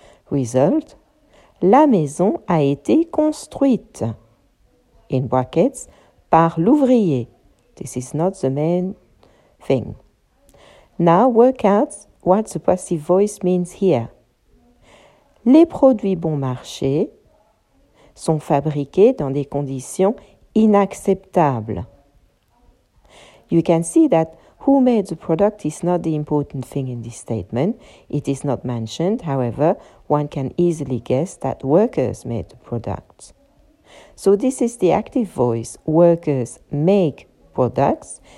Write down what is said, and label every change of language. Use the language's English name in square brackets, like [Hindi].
[French] Result, la maison a été construite. [English] In brackets, [French] par l'ouvrier. [English] This is not the main thing. Now work out what the passive voice means here. [French] Les produits bon marché sont fabriqués dans des conditions inacceptables. [English] You can see that who made the product is not the important thing in this statement. It is not mentioned. However, one can easily guess that workers made the product. So this is the active voice. Workers make products.